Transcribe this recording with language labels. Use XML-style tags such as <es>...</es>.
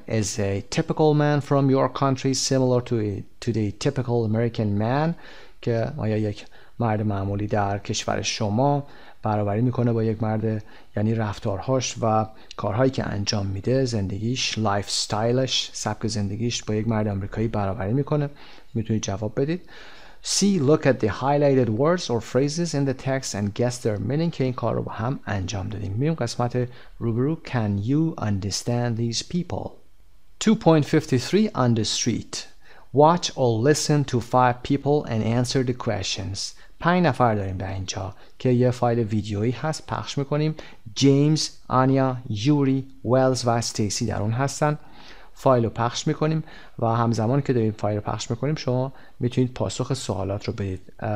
<en>Is a typical man from your country similar to the typical American man؟</en> <fa>که آیا یک مرد معمولی در کشور شما برابری میکنه با یک مرد، یعنی رفتارهاش و کارهایی که انجام میده، زندگیش، lifestyleش، سبک زندگیش با یک مرد آمریکایی برابری میکنه؟ میتونید جواب بدید.</fa> <en>See, look at the highlighted words or phrases in the text and guess their meaning.</en> <fa>که این کار رو با هم انجام دادیم. میریم قسمت روبرو.</fa> <en>Can you understand these people? 2.53 on the street. Watch or listen to 5 people and answer the questions.</en> <fa>5 نفر داریم در اینجا که یه فایل ویدیویی هست پخش میکنیم. جیمز، آنیا، یوری، ویلز و استیسی در اون هستن. فایل رو پخش میکنیم و همزمان که داریم فایل رو پخش میکنیم، شما میتونید پاسخ سوالات رو بدید.</fa>